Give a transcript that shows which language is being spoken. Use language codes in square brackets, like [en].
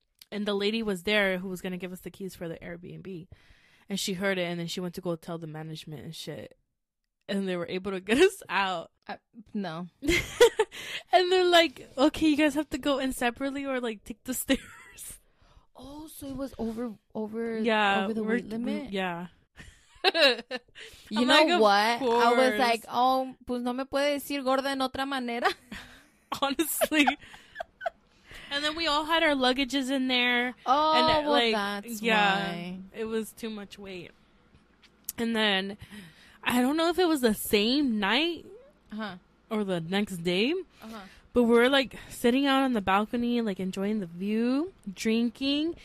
[en] And the lady was there who was gonna give us the keys for the Airbnb. And she heard it, and then she went to go tell the management and shit. And they were able to get us out. No. And they're like, okay, you guys have to go in separately or, like, take the stairs. Oh, so it was over the weight limit? Yeah. You know what? I was like, oh, [es] pues no me puede decir gorda en otra manera. [en] Honestly. And then we all had our luggages in there. Oh, and it, well, like, that's yeah, why. It was too much weight. And then, I don't know if it was the same night or the next day, but we were, like, sitting out on the balcony, like, enjoying the view, drinking.